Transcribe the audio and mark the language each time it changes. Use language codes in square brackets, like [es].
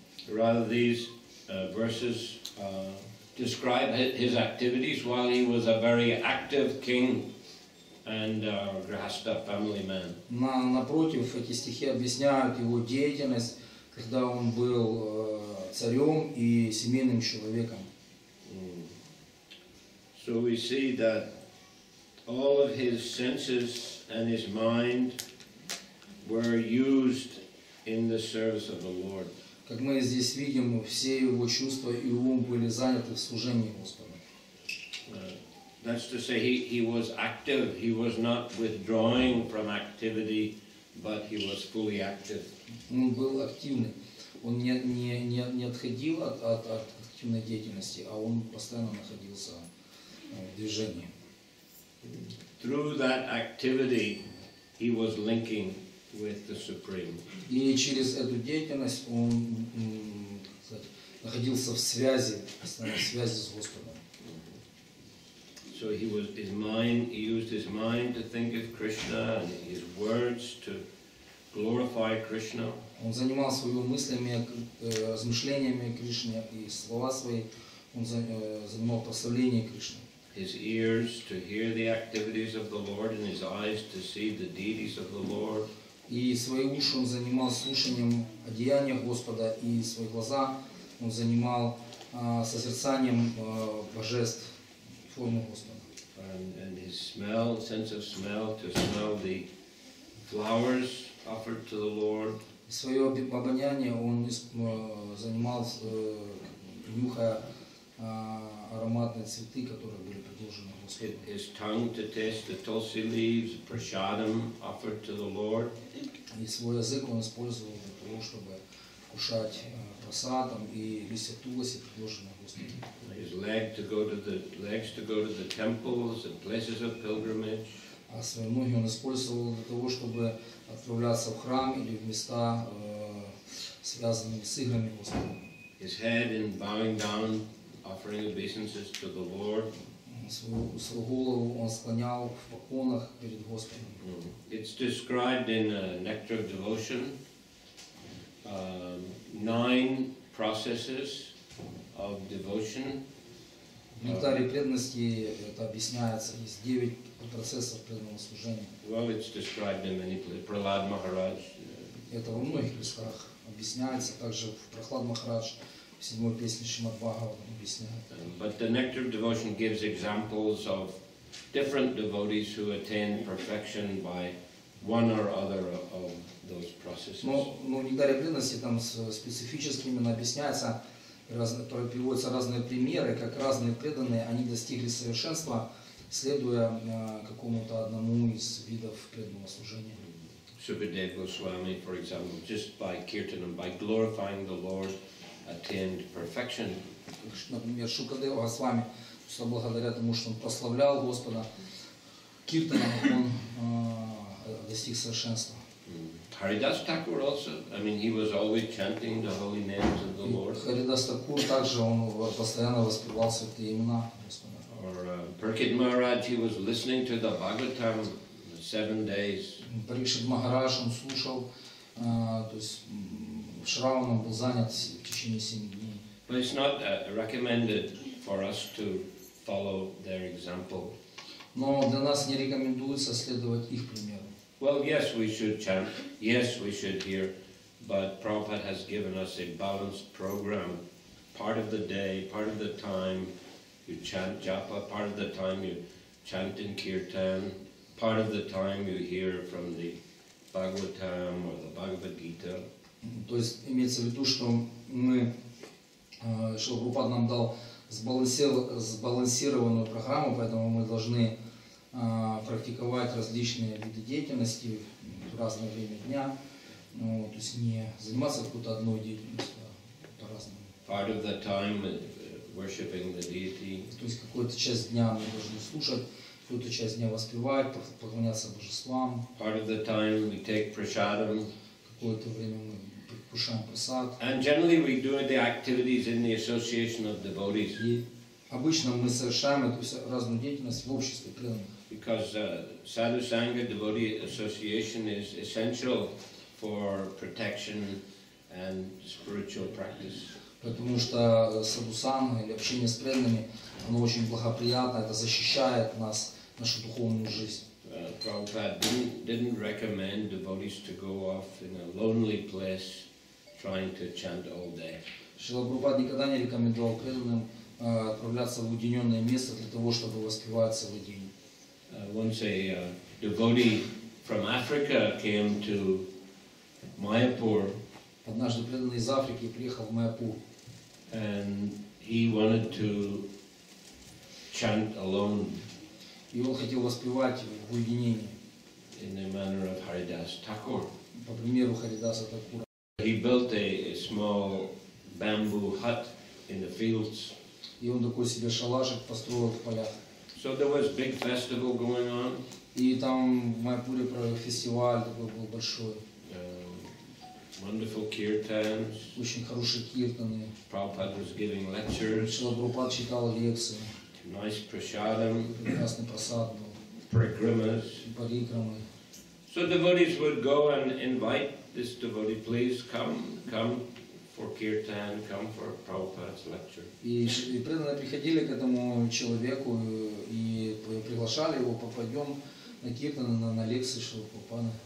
[en] Rather these verses describe his activities while he was a very active king and a grihastha family man. [ru] Напротив, эти стихи объясняют его деятельность, когда он был царем и семейным человеком. [en] So we see that all of his senses and his mind were used in the service of the Lord. [ru] Как мы здесь видим, все его чувства и ум были заняты в служении Господу. [en] That's to say, he was active. He was not withdrawing from activity, but he was fully active. [ru] Он был активный. Он не отходил от активной деятельности, а он постоянно находился в движении. [en] Through that activity, he was linking with the Supreme. [ru] И через эту деятельность он, так сказать, находился в связи, постоянной связи с Господом. [en] So he was his mind, he used his mind to think of Krishna and his words to glorify Krishna. [ru] Он занимал свою мыслями, размышлениями о Кришне и слова свои он занимал прославление Кришны. [en] His ears to hear the activities of the Lord and his eyes to see the deities of the Lord. [ru] И свои уши он занимал слушанием о деяниях Господа, и свои глаза он занимал созерцанием божеств, формы Господа. [en] And his smell, sense of smell, to smell the flowers offered to the Lord. [ru] И свое обоняние он занимал, нюхая ароматные цветы, которые были предложены Господу. [en] His tongue to taste the tulsi leaves, prasadam offered to the Lord. [ru] И свой язык он использовал для того, чтобы кушать прасадам и листья туласи, предложенные Господу. [en] His leg to go to the legs to go to the temples and places of pilgrimage. [ru] А свои ноги он использовал для того, чтобы отправляться в храм или в места, связанные с играми Господа. [en] His head in bowing down, offering obeisances to the Lord. [ru] Свою голову он склонял в поклонах перед Господом. [en] It's described in a Nectar of Devotion, nine processes of devotion. [ru] В Нектаре преданности это объясняется, есть девять процессов преданного служения. [en] Well, it's described in many places. Prahlad Maharaj. [ru] Это во многих местах объясняется, также в Прахлад Махарадж. [en] But the Nectar of Devotion gives examples of different devotees who attain perfection by one or other of those processes. [ru] Но недоразумение там специфически именно объясняется, приводятся разные примеры, как разные преданные, они достигли совершенства, следуя какому-то одному из видов преданного служения. [en] Subhadev Goswami, for example, just by kirtanam, by glorifying the Lord, attained perfection. [ru] Например, Шукадев Госвами, что благодаря тому, что он прославлял Господа, киртаном он достиг совершенства. [en] Haridas Thakur also, I mean, he was always chanting the holy names of the Lord. [ru] Haridas Thakur также он постоянно воспевал святые имена Господа. [en] Or Parikshit Maharaj, he was listening to the Bhagavatam 7 days. [ru] Parikshit Maharaj, он слушал, то есть Шраваном был занят в течение 7 дней. [en] But it's not recommended for us to follow their example. [ru] Но для нас не рекомендуется следовать их примеру. [en] Well, yes, we should chant. Yes, we should hear. But Prabhupada has given us a balanced program. Part of the day, part of the time, you chant japa. Part of the time, you chant in kirtan. Part of the time, you hear from the Bhagavatam or the Bhagavad Gita. [ru] То есть имеется в виду, что мы, что Прабхупада нам дал сбалансированную программу, поэтому мы должны практиковать различные виды деятельности в разное время дня, ну, то есть не заниматься какой-то одной деятельностью, а по-разному. [en] Part of the time worshiping the deity. [ru] То есть какую-то часть дня мы должны слушать, какую-то часть дня воспевать, поклоняться божествам. [en] Part of the time we take prasadam. [ru] Какое-то время мы кушаем прасад. [en] And generally we do the activities in the association of devotees. [ru] Обычно мы совершаем эту разную деятельность в обществе преданных. [en] Because Sadhu Sangha Devotee Association is essential for protection and spiritual practice. [ru] Потому что Sadhu Sangha или общение с преданными, оно очень благоприятно, это защищает нас, нашу духовную жизнь. [en] Prabhupada didn't recommend devotees to go off in a lonely place trying to chant all day. [ru] Шрила Прабхупада никогда не рекомендовал преданным отправляться в уединенное место для того, чтобы воспевать целый день. [en] Once a devotee from Africa came to Mayapur. [ru] Однажды преданный из Африки приехал в Майяпур. [en] And he wanted to chant alone. [ru] И он хотел воспевать в уединении. [en] In the manner of Haridas Thakur. [ru] По примеру Харидаса Такура. [en] He built a small bamboo hut in the fields. [ru] И он такой себе шалашик построил в полях. [en] So there was a big festival going on. [ru] И там в Майяпуре фестиваль такой был большой. [en] Wonderful kirtans. [ru] Очень хорошие киртаны. [en] Prabhupada was giving lectures. [ru] Шрила Прабхупада читал лекции. [en] Nice prasadam. [ru] Прекрасный прасад был. [en] Парикрамас. [ru] Парикрамы. [en] So devotees would go and invite this devotee, please come. For kirtan, come for Prabhupada's lecture. [ru] И преданные приходили к этому человеку и приглашали его, попадем на киртан, на лекции Шрилы Прабхупады.